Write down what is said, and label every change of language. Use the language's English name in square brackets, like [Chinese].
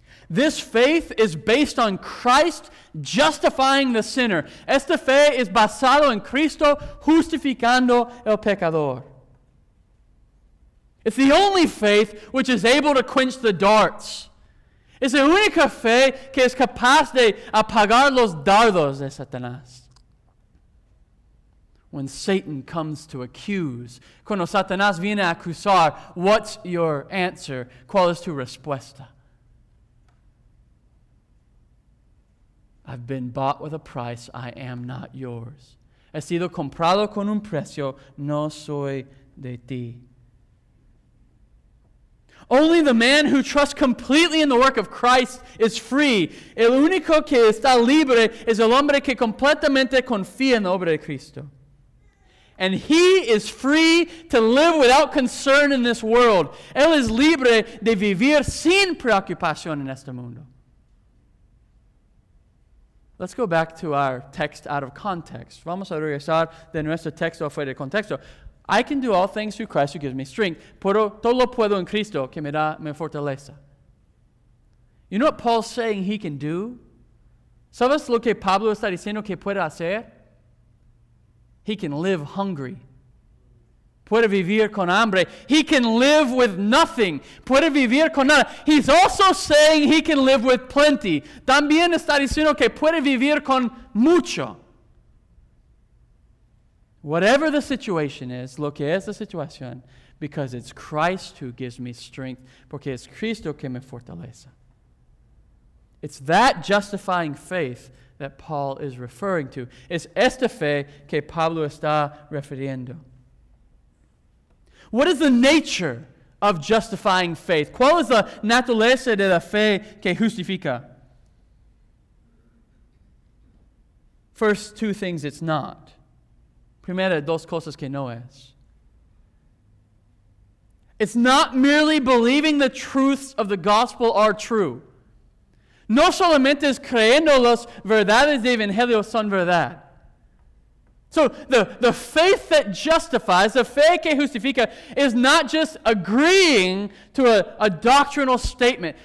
[English] This faith is based on Christ justifying the sinner. [Spanish] Esta fe es basado en Cristo justificando el pecador. [English] It's the only faith which is able to quench the darts. [Spanish] Es la única fe que es capaz de apagar los dardos de Satanás. [English] When Satan comes to accuse, [Spanish] cuando Satanás viene a acusar, [English] what's your answer? [Spanish] ¿Cuál es tu respuesta? [English] I've been bought with a price. I am not yours. [Spanish] He sido comprado con un precio. No soy de ti. [English] Only the man who trusts completely in the work of Christ is free. [Spanish] El único que está libre es el hombre que completamente confía en la obra de Cristo. [English] And he is free to live without concern in this world. [Spanish] Él es libre de vivir sin preocupación en este mundo. [English] Let's go back to our text out of context. Vamos a regresar de nuestro texto fuera de contexto. I can do all things through Christ who gives me strength. [Spanish] Pero todo lo puedo en Cristo que me da mi fortaleza. [English] You know what Paul's saying he can do? [Spanish] ¿Sabes lo que Pablo está diciendo que puede hacer? [English] He can live hungry. [Spanish] Puede vivir con hambre. [English] He can live with nothing. [Spanish] Puede vivir con nada. [English] He's also saying he can live with plenty. [Spanish] También está diciendo que puede vivir con mucho. [English] Whatever the situation is, [Spanish] lo que es la situación, [English] because it's Christ who gives me strength, [Spanish] porque es Cristo que me fortalece. [English] It's that justifying faith that Paul is referring to. [Spanish] Es esta fe que Pablo está refiriendo. [English] What is the nature of justifying faith? [Spanish] ¿Cuál es la naturaleza de la fe que justifica? [English] First, two things it's not. [Spanish] Primera, dos cosas que no es. [English] It's not merely believing the truths of the gospel are true. [Spanish] No solamente es creyendo las verdades de Evangelio son verdad. [English] So the faith that justifies, the [Spanish] fe que justifica, [English] is not just agreeing to a doctrinal statement.